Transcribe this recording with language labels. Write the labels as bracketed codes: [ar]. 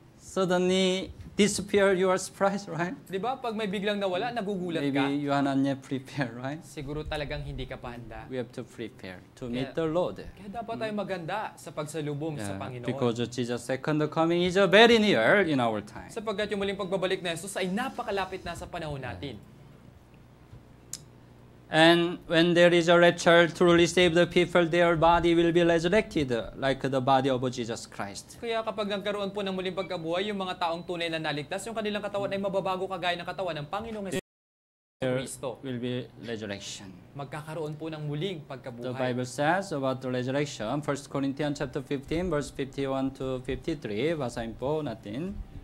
[en] Suddenly disappear, you are surprised, right? [tl] Diba? Pag may biglang nawala, nagugulat [en] maybe [tl] ka. [en] Maybe you are not prepared, right? [tl] Siguro talagang hindi ka pa handa. [en] We have to prepare to kaya, meet the Lord. [tl] Kaya dapat tayo maganda sa pagsalubong sa Panginoon. [en] Because Jesus' second coming is very near in our time. [tl] Sapagkat yung muling pagbabalik na Jesus ay napakalapit na sa panahon natin. [en] Yeah. And when there is a rapture, truly saved people, their body will be resurrected like the body of Jesus Christ. [tl] Kaya kapag nagkaroon po ng muling pagkabuhay, yung mga taong tunay na naligtas, yung kanilang katawan ay mababago kagaya ng katawan ng Panginoong Jesus Christ. [en] Will be resurrection. [tl] Magkakaroon po ng muling pagkabuhay. [en] The Bible says about the resurrection, 1 Corinthians chapter 15, verse 51 to 53, [tl] basahin po natin.